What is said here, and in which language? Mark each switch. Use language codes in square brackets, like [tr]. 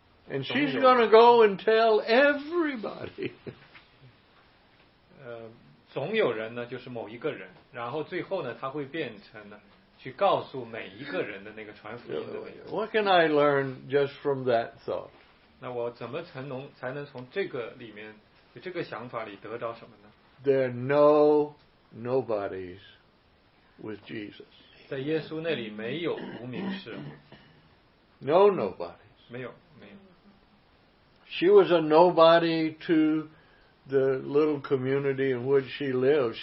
[en] And she's going to go and tell everybody. [zh] 总有人呢，就是某一个人，然后最后呢，他会变成呢，去告诉每一个人的那个传福音的。 [en] What can I learn just from that thought? [zh] 那我怎么才能从这个里面，这个想法里得到什么呢？ [en] There are no nobodies with Jesus. [zh] 在耶稣那里没有无名氏。 [en] No nobodies. [zh] 没有。 [en] She was a nobody to the little community in which she lived.